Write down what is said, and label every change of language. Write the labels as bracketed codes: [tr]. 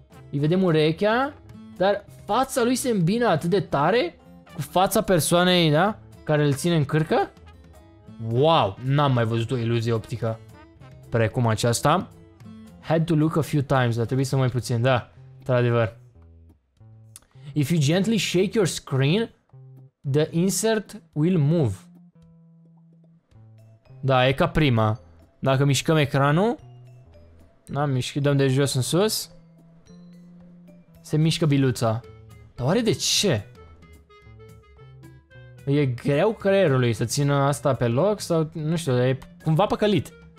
[ro] Îi vedem urechea, dar fața lui se îmbină atât de tare cu fața persoanei, da, care îl ține în cârcă. Wow, n-am mai văzut o iluzie optică precum aceasta. [en] Had to look a few times, [ro] dar trebuie să mai puțin, da, într-adevăr. [en] If you gently shake your screen, the insert will move. [ro] Da, e ca prima. Dacă mișcăm ecranul, da, dăm de jos în sus, se mișcă biluța. Dar oare de ce? E greu creierului să țină asta pe loc sau, nu știu, e cumva păcălit.